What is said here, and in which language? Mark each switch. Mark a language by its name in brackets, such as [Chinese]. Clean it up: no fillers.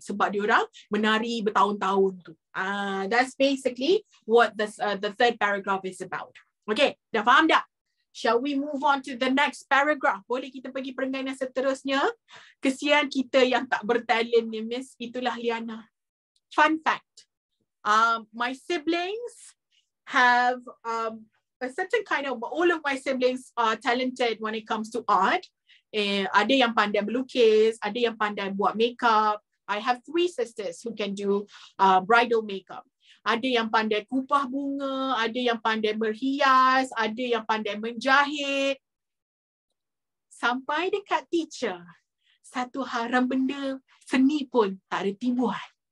[Malay] Sebab dia orang menari bertahun-tahun tu. [English] That's basically what the third paragraph is about. Okay, [Malay] dah faham dah? [English] Shall we move on to the next paragraph? [Malay] Boleh kita pergi peringkat yang seterusnya? Kesian kita yang tak bertalent ni, Miss. Itulah Liana. Fun fact. [English] My siblings have a certain kind of... All of my siblings are talented when it comes to art. [Malay] Ada yang pandai melukis. Ada yang pandai buat makeup. [English] I have 3 sisters who can do bridal makeup. [Malay] Ada yang pandai kupah bunga, ada yang pandai berhias, ada yang pandai menjahit. Sampai dekat teacher, satu haram benda, seni pun tak reti buat.